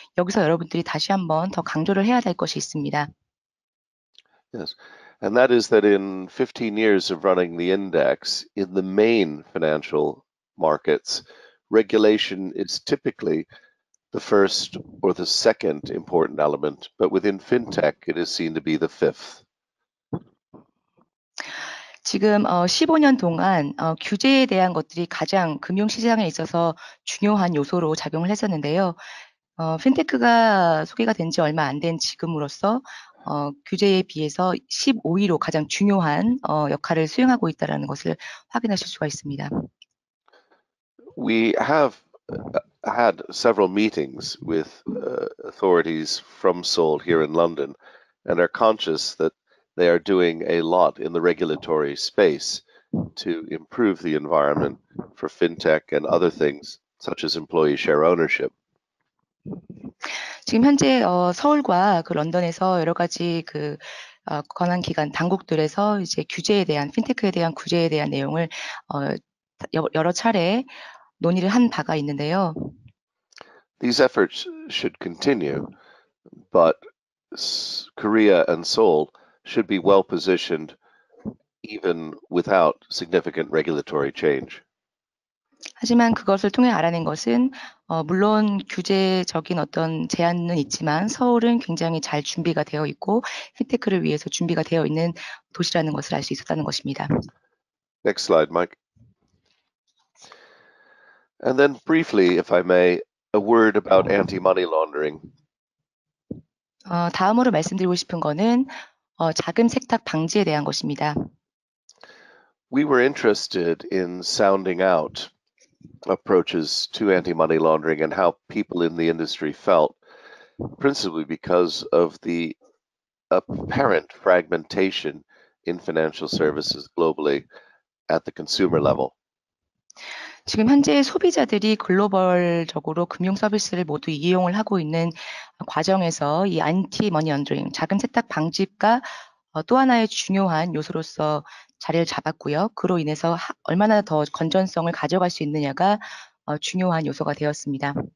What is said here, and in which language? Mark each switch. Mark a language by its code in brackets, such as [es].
[ko] 여기서 여러분들이 다시 한번 더 강조를 해야 될 것이 있습니다. [en] Yes, and that is that in 15 years of running the index in the main financial markets, regulation is typically the first or the second important element, but within fintech, it is seen to be the fifth. [ko] 지금 15년 동안 규제에 대한 것들이 가장 금융시장에 있어서 중요한 요소로 작용을 했었는데요. 핀테크가 소개가 된 지 얼마 안 된 지금으로서 규제에 비해서 15위로 가장 중요한 역할을 수행하고 있다는 것을 확인하실 수가 있습니다. [en] We have had several meetings with authorities from Seoul here in London and are conscious that they are doing a lot in the regulatory space to improve the environment for fintech and other things such as employee share ownership. [ko] 지금 현재 서울과 그 런던에서 여러 가지 그 관한 기관 당국들에서 이제 규제에 대한 핀테크에 대한 규제에 대한 내용을 여러 차례 논의를 한 바가 있는데요. [en] These efforts should continue, but Korea and Seoul should be well positioned even without significant regulatory change. [ko] 하지만 그것을 통해 알아낸 것은 물론 규제적인 어떤 제한은 있지만 서울은 굉장히 잘 준비가 되어 있고 핀테크를 위해서 준비가 되어 있는 도시라는 것을 알 수 있었다는 것입니다. [en] Next slide, Mike. And then briefly, if I may, a word about anti-money laundering. [ko] 다음으로 말씀드리고 싶은 거는 자금 세탁 방지에 대한 것입니다. [en] We were interested in sounding out approaches to anti-money laundering and how people in the industry felt, principally because of the apparent fragmentation in financial services globally at the consumer level. [ko] 지금 현재 소비자들이 글로벌적으로 금융 서비스를 모두 이용을 하고 있는 과정에서 이 안티 머니 런더링, 자금 세탁 방지가 또 하나의 중요한 요소로서 자리를 잡았고요. 그로 인해서 얼마나 더 건전성을 가져갈 수 있느냐가 중요한 요소가 되었습니다.